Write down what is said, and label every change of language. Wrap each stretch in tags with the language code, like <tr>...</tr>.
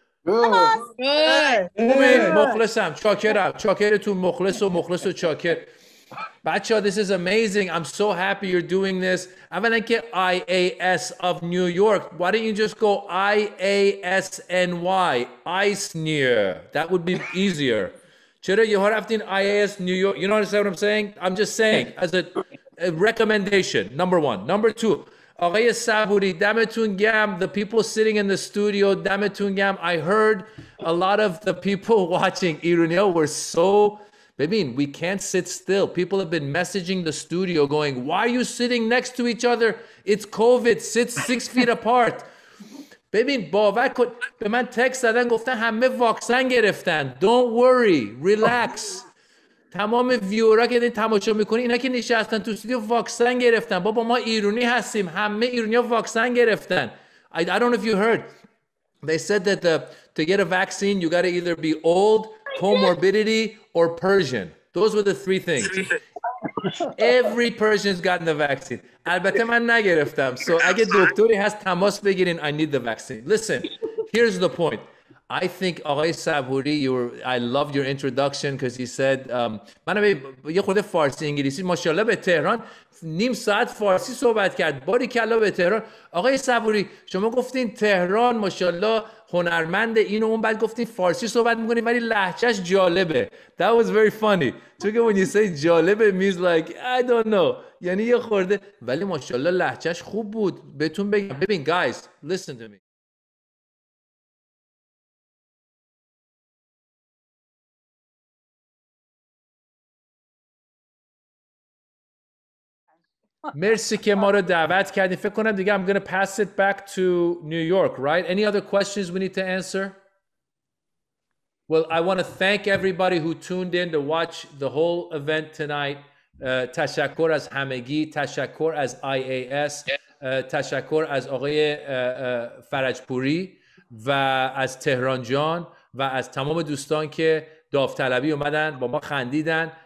<fa>خوبین، مخلصم، چاکرم، چاکرتون مخلص و مخلص و چاکر. بچه ها</fa> <en>this is amazing, I'm so happy you're doing this.</en> <fa>اولا که</fa> <en>IAS of New York, why don't you just go IASNY, ice near, that would be easier.</en> <fa>چرا یه ها رفتین</fa> <en>IAS New York, you know what I'm saying? I'm just saying, as a recommendation, number one. Number two,</en> <fa>آقای صبوری دمتون گرم.</fa> <en>The people sitting in the studio,</en> <fa>دمتون گرم.</fa> <en>I heard a lot of the people watching Iranio were so...</en> <fa>ببین,</fa> <en>we can't sit still. People have been messaging the studio going, why are you sitting next to each other? It's COVID, sit 6 feet apart.</en> <fa>ببین, باور کن. به من تکست دادن گفتن همه واکسن گرفتن.</fa> <en>Don't worry, relax.</en> <fa>تمام ویورا که دارین تماشا میکنین، اینا که نشستن تو استودیو واکسن گرفتن. بابا ما ایرانی هستیم، همه ایرانی ها واکسن گرفتن.</fa> <en>I don't know if you heard, they said that to get a vaccine you gotta either be old, comorbidity or Persian. Those were the three things. Every Persian's gotten the vaccine.</en> <fa>البته من نگرفتم. So اگه دکتری هست تماس بگیرین.</fa> <en>I need the vaccine. Listen, here's the point. I think</en> <fa>آقای صبوری,</fa> <en>I loved your introduction because he said</en> <fa>منم یه خورده فارسی انگلیسی ماشاءالله به تهران نیم ساعت فارسی صحبت کرد. باری کلا به تهران. آقای صبوری شما گفتین تهران ماشاءالله هنرمند این و اون، بعد گفتین فارسی صحبت می‌کنین ولی لهجهش جالبه.</fa> <en>That was very funny. So when you say جالبه means like I don't know.</en> <fa>یعنی یه خورده، ولی ماشاءالله لهجهش خوب بود. بهتون بگم ببین</fa> <en>guys listen to me.</en> <fa>مرسی که ما رو دعوت کردی. فکر کنم دیگه</fa> <en>I'm going to pass it back to New York, right? Any other questions we need to answer? Well, I want to thank everybody who tuned in to watch the whole event tonight.</en> <fa>تشکر از همگی، تشکر از IAS, تشکر از آقای فرجپوری و از تهران جان و از تمام دوستان که داوطلبی اومدن با ما خندیدن.</fa>